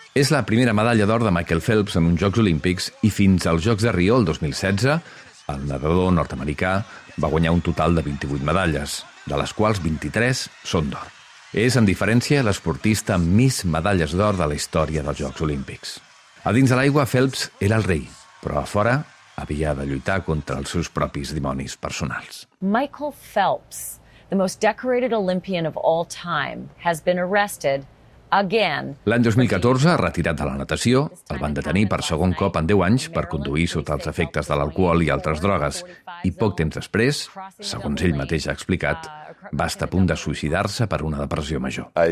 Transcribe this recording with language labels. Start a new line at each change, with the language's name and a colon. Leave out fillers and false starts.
Catalan: És la primera medalla d'or de Michael Phelps en uns Jocs Olímpics i fins als Jocs de Rio, el 2016, el nedador nord-americà va guanyar un total de 28 medalles, de les quals 23 són d'or. És, en diferència, l'esportista amb més medalles d'or de la història dels Jocs Olímpics. A dins de l'aigua, Phelps era el rei, però a fora havia de lluitar contra els seus propis dimonis personals.
English: Michael Phelps, the most decorated Olympian of all time, has been arrested.
Catalan: L'any 2014, retirat de la natació, el van detenir per segon cop en 10 anys per conduir sota els efectes de l'alcohol i altres drogues. I poc temps després, segons ell mateix ha explicat, va estar a punt de suïcidar-se per una depressió major.